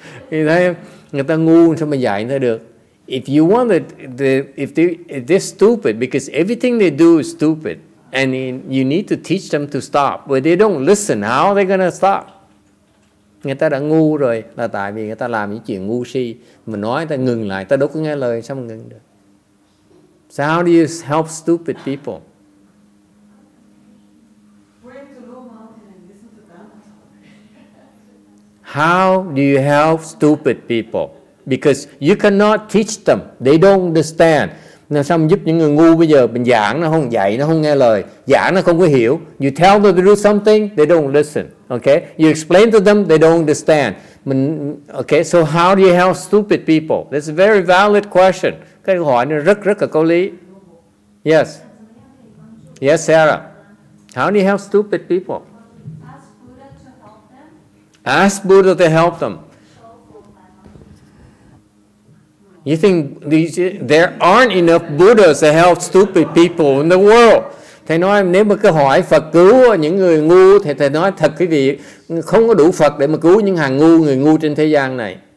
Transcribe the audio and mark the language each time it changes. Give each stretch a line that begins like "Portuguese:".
English: You know,
Vietnamese: người ta ngu sao mà dạy người ta được?
English: If you want that, if they're stupid because everything they do is stupid, and you need to teach them to stop, but they don't listen, how are they gonna stop?
Vietnamese: Người ta đã ngu rồi là tại vì người ta làm những chuyện ngu si. Mình nói người ta ngừng lại, người ta đâu có nghe lời, sao mà ngừng được?
English: So how do you help stupid people? How do you help stupid people? Because you cannot teach them. They don't understand.
Vietnamese: Nên sao mình giúp những người ngu bây giờ? Mình giảng nó không dạy, nó không nghe lời. Giảng nó không có hiểu.
English: You tell them to do something, they don't listen. Okay? You explain to them, they don't understand. Mình, okay? So how do you help stupid people? That's a very valid question.
Vietnamese: Cái hỏi này rất rất là có lý.
English: Yes. Yes, Sarah. How do you help stupid people? Ask Buddha to help them. You think there aren't enough Buddhas to help stupid people in the world?
Vietnamese: Thầy nói nếu mà cứ hỏi Phật cứu những người ngu thì thầy nói thật quý vị không có đủ Phật để mà cứu những hàng ngu người ngu trên thế gian này.